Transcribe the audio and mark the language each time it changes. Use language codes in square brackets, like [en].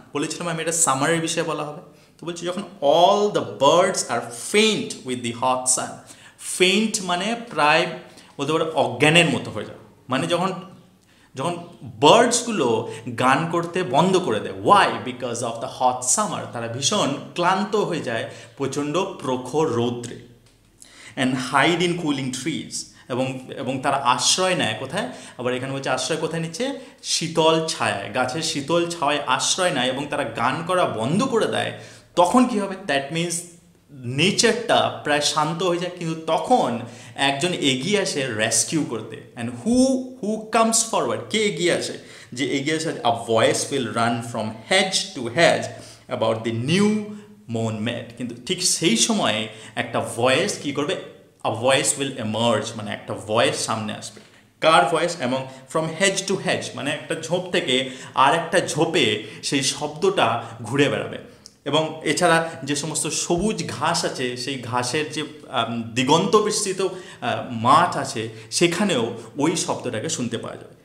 [bn] বলেছিলাম আমি এটা সামারের বিষয়ে বলা হবে। তো বলছি যখন [en] all the birds are faint with the hot sun, [bn] ফেন্ট মানে প্রায় বলতে পারে অজ্ঞানের মতো হয়ে যাওয়া, মানে যখন যখন বার্ডসগুলো গান করতে বন্ধ করে দেয়। Y? [en] because of the hot summer, [bn] তারা ভীষণ ক্লান্ত হয়ে যায় প্রচণ্ড প্রখর রৌদ্রে। [en] and hide in cooling trees. [bn] এবং এবং তারা আশ্রয় নেয় কোথায়? আবার এখানে বলছে আশ্রয় কোথায় নিচ্ছে? শীতল ছায়ায়, গাছের শীতল ছায়ায় আশ্রয় নেয় এবং তারা গান করা বন্ধ করে দেয়, তখন কি হবে? দ্যাট মিন্স নেচারটা প্রায় শান্ত হয়ে যায়, কিন্তু তখন একজন এগিয়ে আসে রেস্কিউ করতে। [en] and who comes forward, [bn] কে এগিয়ে আসে? যে এগিয়ে আসে, [en] A voice will run from hedge to hedge about the new mown mead. [bn] কিন্তু ঠিক সেই সময়ে একটা ভয়েস কি করবে? [en] A voice will emerge, [bn] মানে একটা voice সামনে আসবে। কার ভয়েস? এবং [en] from hedge to hedge, [bn] মানে একটা ঝোপ থেকে আর একটা ঝোপে সেই শব্দটা ঘুরে বেড়াবে। এবং এছাড়া যে সমস্ত সবুজ ঘাস আছে, সেই ঘাসের যে দিগন্ত বিস্তৃত মাঠ আছে, সেখানেও ওই শব্দটাকে শুনতে পাওয়া যাবে।